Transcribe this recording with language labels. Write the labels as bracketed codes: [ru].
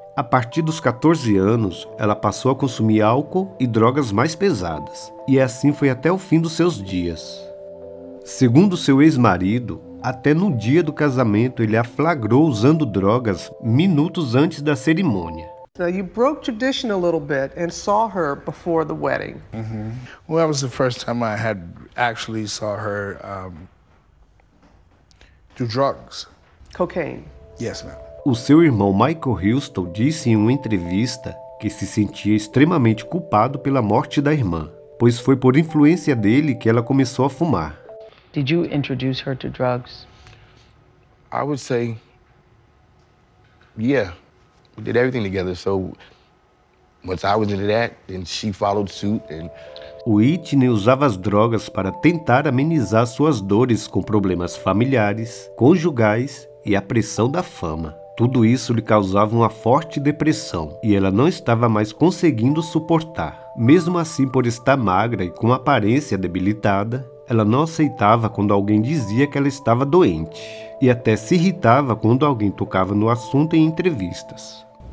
[pt] A partir dos 14 anos, ela passou a consumir álcool e drogas mais pesadas, e assim foi até o fim dos seus dias. Segundo seu ex-marido, até no dia do casamento ele a flagrou usando drogas minutos antes da cerimônia. [en] Now you broke tradition a little bit and saw her before the wedding. Mm-hmm. Well, that was the first time I had actually saw her do drugs. Cocaine. Yes, ma'am. [pt] O seu irmão Michael Houston disse em uma entrevista que se sentia extremamente culpado pela morte da irmã, pois foi por influência dele que ela começou a fumar. [en] Did you introduce her to drugs? I would say, yeah. We did everything together, so once I was into that, then she followed suit. And [pt] Whitney usava as drogas para tentar amenizar suas dores com problemas familiares, conjugais e a pressão da fama. Tudo isso lhe causava uma forte depressão e ela não estava mais conseguindo suportar. Mesmo assim, por estar magra e com aparência debilitada, ela não aceitava quando alguém dizia que ela estava doente e até se irritava quando alguém tocava no assunto em entrevistas.